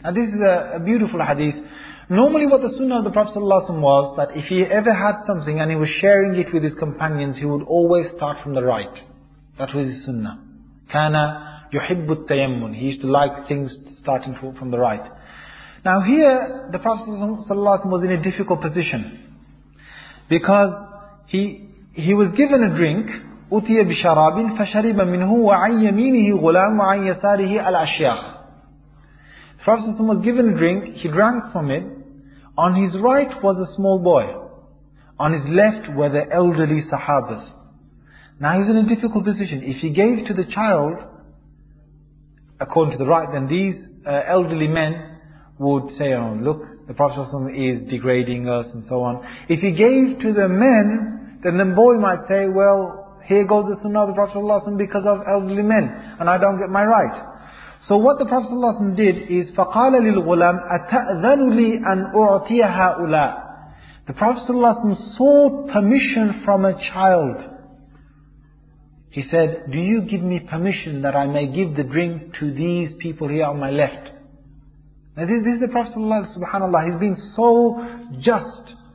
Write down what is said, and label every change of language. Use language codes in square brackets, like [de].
[en] And this is a beautiful hadith. Normally what the sunnah of the Prophet ﷺ was, that if he ever had something and he was sharing it with his companions, he would always start from the right. That was his sunnah. [ar] كَانَ يُحِبُّ التَّيَمُّنِ. [en] He used to like things starting from the right. Now here, the Prophet ﷺ was in a difficult position. Because he was given a drink, [ar] أُتِيَ بِشَرَابٍ فَشَرِبَ مِنْهُ وَعَنْ يَمِينِهِ غُلَامُ وَعَنْ يَسَارِهِ الْأَشْيَاخِ. [en] The Prophet ﷺ was given a drink, he drank from it. On his right was a small boy. On his left were the elderly sahabas. Now he's in a difficult position. If he gave to the child, according to the right, then these elderly men would say, oh, look, the Prophet ﷺ is degrading us and so on. If he gave to the men, then the boy might say, well, here goes the sunnah of the Prophet ﷺ because of elderly men, and I don't get my right. So what the Prophet ﷺ did is, [ar] فَقَالَ لِلْغُلَامِ أَتَأْذَنُ لِي أَنْ أُعْطِيَ هَؤُلَاء. [en] The Prophet ﷺ sought permission from a child. He said, do you give me permission that I may give the drink to these people here on my left? Now this is the Prophet ﷺ, subhanAllah, he's been so just.